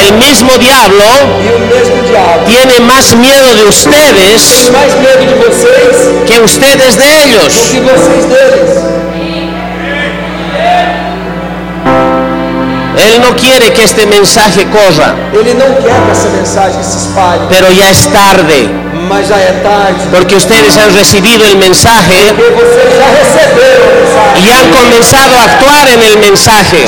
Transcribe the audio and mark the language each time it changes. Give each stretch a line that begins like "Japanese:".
Spanish: el mismo diablo, tiene más miedo de ustedes,
Portuguese: tem mais medo de vocês,
Spanish: que ustedes de ellos.
Portuguese: Que vocês deles.
Spanish: Él no quiere que este mensaje corra.
Portuguese: Ele não quer que essa mensagem se espalhe.
Spanish: Pero ya es tarde.
Portuguese: Mas já é tarde.
Spanish: Porque ustedes han recibido el mensaje.
Portuguese: Porque vocês já receberam o mensaje.
Spanish: Y han comenzado a actuar en el mensaje.